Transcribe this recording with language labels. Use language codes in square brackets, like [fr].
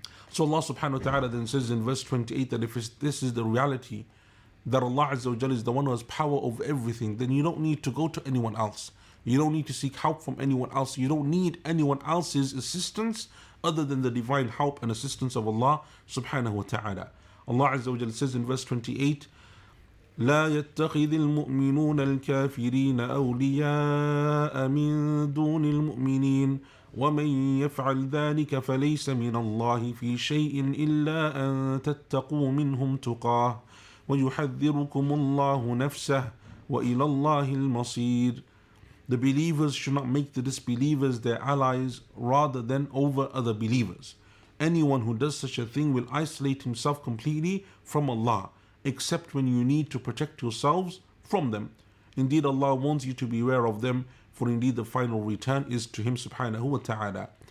[en] So Allah subhanahu wa ta'ala then says in verse 28 that if this is the reality, that Allah Azza wa Jal is the one who has power over everything, then you don't need to go to anyone else. You don't need to seek help from anyone else. You don't need anyone else's assistance other than the divine help and assistance of Allah subhanahu wa ta'ala. Allah Azza wa Jalla says in verse 28, [ar] لا يتخذ المؤمنون الكافرين أولياء من دون المؤمنين ومن يفعل ذلك فليس من الله في شيء إلا أن تتقوا منهم تقاه ويحذركم الله نفسه وإلى الله المصير. [en] The believers should not make the disbelievers their allies rather than over other believers. Anyone who does such a thing will isolate himself completely from Allah, except when you need to protect yourselves from them. Indeed, Allah wants you to beware of them, for indeed the final return is to Him subhanahu wa ta'ala.